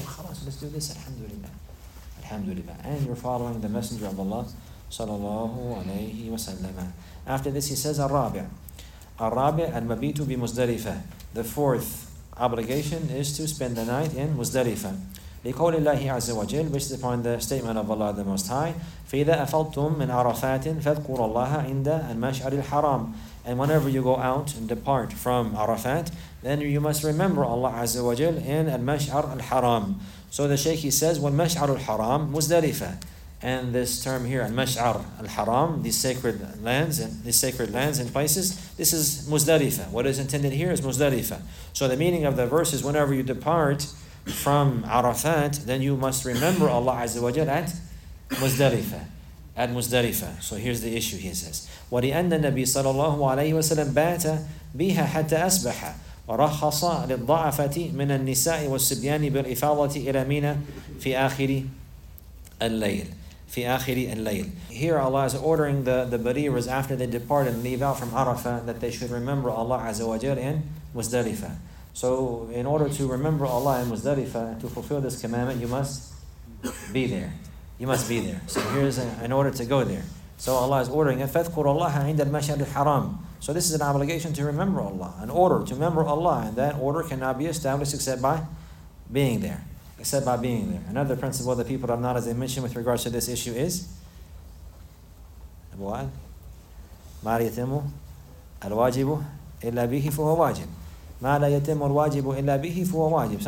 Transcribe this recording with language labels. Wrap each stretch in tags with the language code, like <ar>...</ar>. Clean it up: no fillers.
<en>Khalas, let's do this. Alhamdulillah. Alhamdulillah. And you're following the Messenger of Allah sallallahu alayhi wa sallam. After this, he says,</en> <ar>Ar-Rabi'. Ar-Rabi' al-Mabitu bi Muzdalifah.</ar> <en>The fourth obligation is to spend the night in Muzdalifah.</en> <ar>لِقَوْلِ اللَّهِ عَزَّ وَجَلْ,</ar> <en>based upon the statement of Allah the Most High,</en> <ar>فَإِذَا أَفَضْتُمْ مِنْ عَرَفَاتٍ فَذْكُرَ اللَّهَ عِنْدَ الْمَشْعَرِ الْحَرَامِ.</ar> <en>And whenever you go out and depart from Arafat, then you must remember Allah Azza wa Jal in Al-Mash'ar Al-Haram. So the Shaykh, he says, Al-Mash'ar Al-Haram Muzdalifah. And this term here, Al-Mash'ar Al-Haram, these sacred lands and places, this is Muzdalifah. What is intended here is Muzdalifah. So the meaning of the verse is whenever you depart from Arafat, then you must remember Allah Azza wa Jal at Muzdalifah. At Muzdalifah. So here's the issue, he says.</en> <ar>وَلِأَنَّ النَّبِيَّ صَلَّى اللَّهُ عَلَيْهِ وَسَلَّمَ بَاتَ بِهَا حَتَّى أَصْبَحَ وَرَخَّصَ لِلضَّعَفَةِ مِنَ النِّسَاءِ وَالصِّبْيَانِ بِالْإِفَاضَةِ إِلَى مِنَى فِي آخِرِ اللَّيْلِ. فِي آخِرِ اللَّيْلِ.</ar> <en>Here Allah is ordering the believers after they depart and leave out from Arafah that they should remember Allah Azza wa Jal in Muzdalifah. So in order to remember Allah in Muzdalifah, to fulfill this commandment, you must be there. You must be there. So here's an order to go there. So Allah is ordering,</en> <ar>فَذْكُرُ اللَّهَ عِنْدَ الْمَشْعَرِ الْحَرَامِ.</ar> <en>So this is an obligation to remember Allah, an order to remember Allah, and that order cannot be established except by being there. Another principle that people have not, as they mentioned with regards to this issue, is</en> <ar>أبوال مَا لَيَتِمُ الْوَاجِبُ إِلَّا بِهِ فُهُوَ وَاجِبُ مَا لَيَتِمُ الْوَاجِبُ إِلَّا بِهِ فُهُوَ وَاجِبُ.</ar>